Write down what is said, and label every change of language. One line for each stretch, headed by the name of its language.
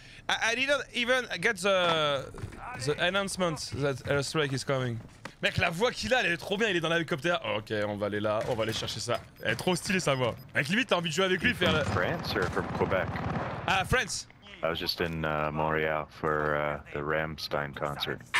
English: I didn't even get the announcement that a strike is coming.
French: Mec, la voix qu'il a, elle est trop bien, il est dans l'hélicoptère. Ok, on va aller là, on va aller chercher ça. Elle est trop stylée sa voix. Mec, limite, t'as envie de jouer avec lui, faire le.
English: France ou from Quebec? Ah, France! I was just in Montreal for the Rammstein concert.